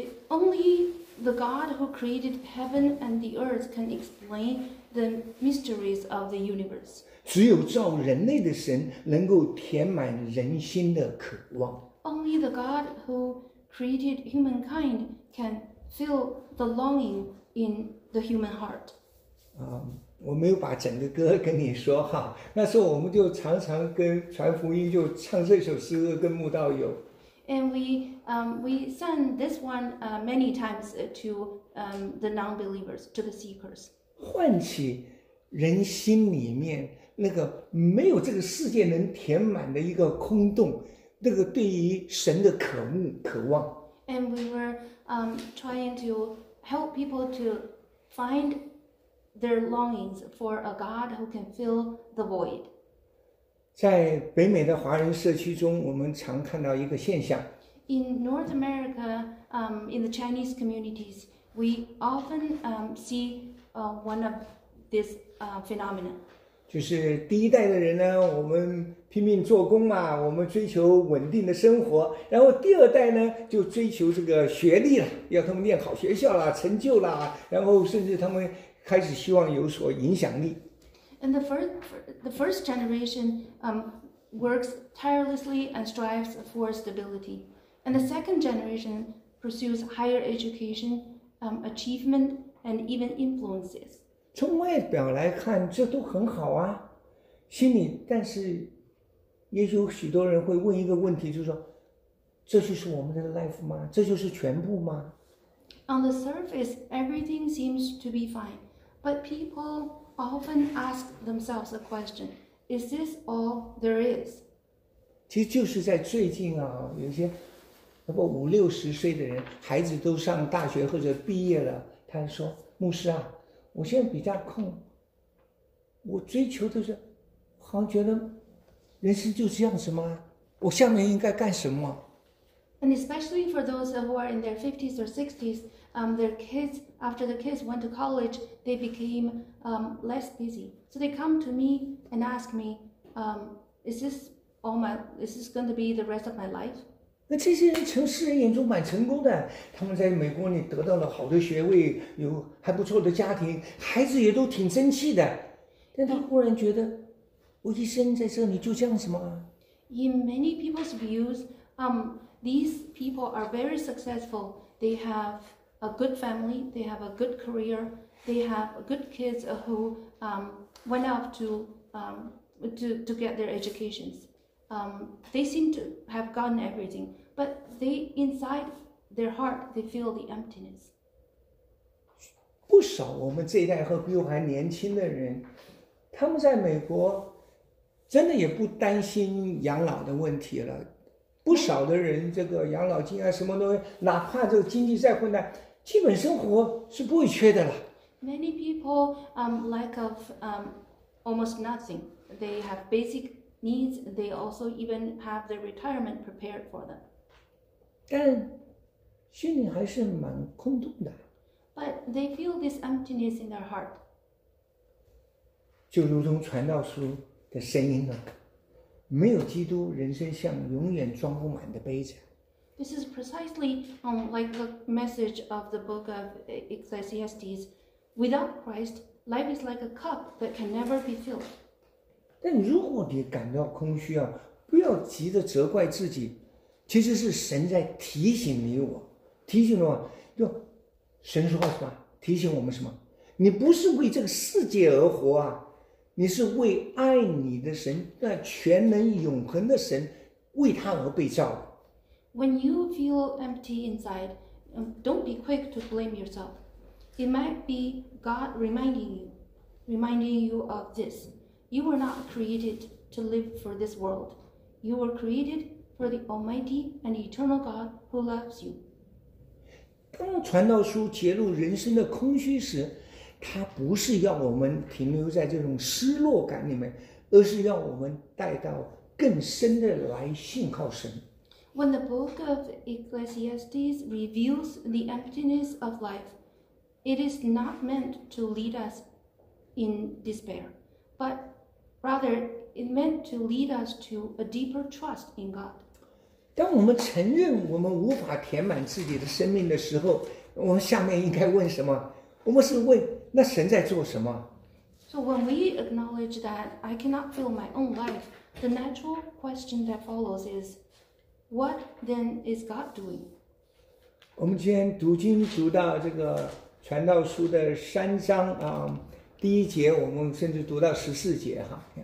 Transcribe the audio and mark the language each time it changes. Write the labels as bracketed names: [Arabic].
[English] Only the God who created heaven and the earth can explain the mysteries of the universe. [Chinese] 只有造人类的神能够填满人心的渴望。 [English] Only the God who created humankind can fill the longing in the human heart. [Chinese] 我没有把整个歌跟你说哈，那时候我们就常常跟传福音就唱这首诗歌跟慕道友。 [English] And we sang this one many times to the non-believers, to the seekers. [Chinese] 唤起人心里面那个没有这个世界能填满的一个空洞，那个对于神的渴慕渴望。 [English] And we were trying to help people to find. Their longings for a God who can fill the void. [Chinese] 在北美的华人社区中，我们常看到一个现象。 [English] In North America, in the Chinese communities, we often see one of this phenomena. [Chinese] 就是第一代的人呢，我们拼命做工嘛，我们追求稳定的生活。然后第二代呢，就追求这个学历了，要他们念好学校啦，成就啦，然后甚至他们。开始希望有所影响力。 [English] And the first generation works tirelessly and strives for stability. And the second generation pursues higher education, achievement, and even influences. [Chinese] 从外表来看，这都很好啊。心里，但是，也许许多人会问一个问题，就是说，这就是我们的 life 吗？这就是全部吗 [English] ？On the surface, everything seems to be fine. But people often ask themselves a question: Is this all there is? [Chinese] 其实就是在最近啊，有些，那么五六十岁的人，孩子都上大学或者毕业了，他说：“牧师啊，我现在比较空，我追求的是，好像觉得，人生就这样子吗？我下面应该干什么 [English] ？”And especially for those who are in their 50s or 60s. Their kids, after the kids went to college, they became less busy. So they come to me and ask me, is this going to be the rest of my life? [Chinese] 那这些人从世人眼中蛮成功的，他们在美国里得到了好的学位，有还不错的家庭，孩子也都挺争气的。但他忽然觉得，我一生在这里就这样子吗？ [English] In many people's views, these people are very successful. They have... A good family, they have a good career, they have good kids who went off to get their educations. They seem to have gotten everything, but they inside their heart they feel the emptiness. [Chinese] 不少我们这一代和比我还年轻的人，他们在美国真的也不担心养老的问题了。不少的人这个养老金啊什么东西，哪怕这个经济再困难，基本生活是不会缺的了。 [English] Many people lack of almost nothing. They have basic needs. They also even have their retirement prepared for them. [Chinese] 但心里还是蛮空洞的。 [English] But they feel this emptiness in their heart. [Chinese] 就如同传道书的声音了，没有基督，人生像永远装不满的杯子。 [English] This is precisely like the message of the book of Ecclesiastes. Without Christ, life is like a cup that can never be filled. [Chinese] 但如果你感到空虚啊，不要急着责怪自己，其实是神在提醒你我，提醒我，就神说话是吧？提醒我们什么？你不是为这个世界而活啊，你是为爱你的神，那全能永恒的神，为他而被造。 [English] When you feel empty inside, don't be quick to blame yourself. It might be God reminding you of this. You were not created to live for this world. You were created for the Almighty and Eternal God who loves you. [Chinese] 当传道书揭露人生的空虚时，它不是要我们停留在这种失落感里面，而是要我们带到更深的来信靠神。 [English] When the book of Ecclesiastes reveals the emptiness of life,It is not meant to lead us in despair, but rather it meant to lead us to a deeper trust in God. [Chinese] 当我们承认我们无法填满自己的生命的时候，我们下面应该问什么？我们是问那神在做什么？ [English] So when we acknowledge that I cannot fill my own life, the natural question that follows is, what then is God doing? [Chinese] 我们今天读经读到这个传道书的三章啊，第一节我们甚至读到十四节哈。